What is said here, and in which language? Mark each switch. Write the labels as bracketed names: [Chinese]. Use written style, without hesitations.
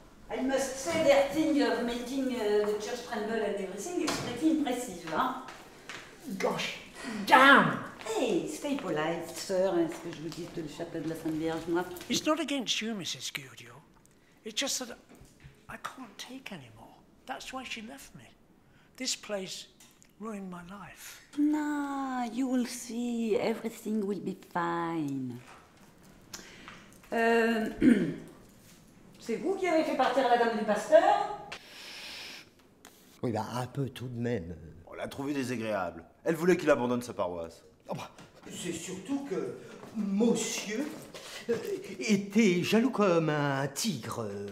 [English] I must say their thing of making the church tremble and everything is pretty impressive, hein? Gosh, damn! Hey, stay polite, sir, [French] est-ce que je vous dis de le chapeau de la Sainte Vierge, moi? [English] It's not against you, Mrs. Gudule. It's just that I can't take anymore. That's why she left me. This place ruined my life. Nah, you will see, everything will be fine. [French] C'est vous qui avez fait partir la dame du pasteur? Oui, bah un peu tout de même. On l'a trouvé désagréable. Elle voulait qu'il abandonne sa paroisse. Oh bah. C'est surtout que monsieur était jaloux comme un tigre.